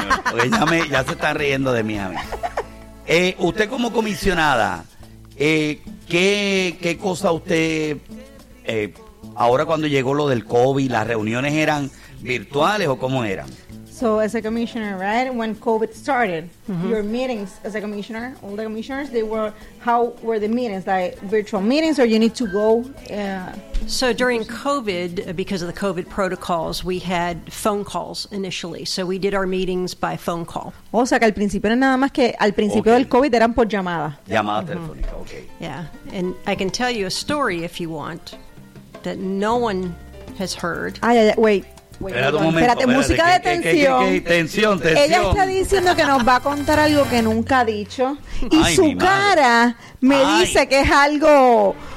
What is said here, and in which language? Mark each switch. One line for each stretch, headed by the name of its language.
Spanish: Porque ya se está riendo de mí a mí. Usted como comisionada, ¿qué cosa usted... ahora cuando llegó lo del COVID, las reuniones eran... virtuales o cómo eran?
English: So as a commissioner, right? When COVID started, mm-hmm. your meetings as a commissioner, all the commissioners, they were, how were the meetings? Like virtual meetings or you need to go? So during COVID, because of the COVID protocols, we had phone calls initially. So we did our meetings by phone call.
Spanish: O sea que al principio era nada más que al principio okay. del COVID eran por llamada. Llamada mm-hmm. telefónica, okay.
English: Yeah, and I can tell you a story if you want that no one has heard.
Spanish: Espérate, música de tensión. Tensión. Ella está diciendo que nos va a contar algo que nunca ha dicho. Y su cara me dice que es algo.